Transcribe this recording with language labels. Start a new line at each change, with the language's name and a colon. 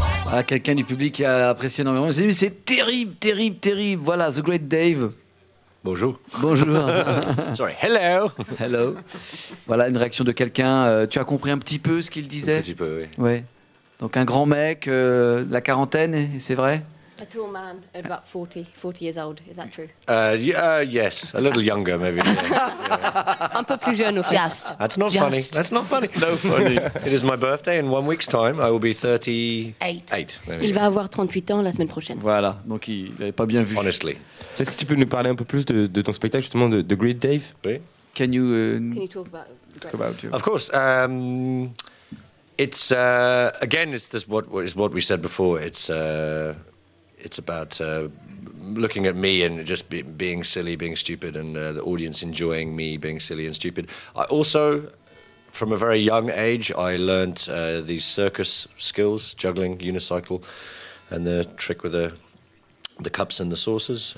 French: Ah, quelqu'un du public qui a apprécié énormément. J'ai dit, mais c'est terrible, terrible, terrible. Voilà, The Great Dave. Bonjour. Bonjour.
English: Sorry, hello.
French: Hello. Voilà, une réaction de quelqu'un. Tu as compris un petit peu ce qu'il disait? Un petit peu, oui. Ouais. Donc un grand mec, la quarantaine, c'est vrai?
English: A tall man, about 40 years old, is that true? Yes, a little younger, maybe.
French: Un peu plus jeune, aussi.
English: Just. That's not just. Funny. That's not funny. No funny. It is my birthday, in one week's time, I will be
French: 38. Il va avoir 38 ans la semaine prochaine. Voilà, donc il n'avait pas bien vu.
English: Honestly.
French: Peut-être que tu peux nous parler un peu plus de ton spectacle, justement, de Great Dave? Oui.
English: Can you talk about you? Of course. It's, again, it's this what we said before. It's about looking at me and just being silly, being stupid, and the audience enjoying me being silly and stupid. I also, from a very young age, I learned these circus skills, juggling, unicycle, and the trick with the cups and the saucers.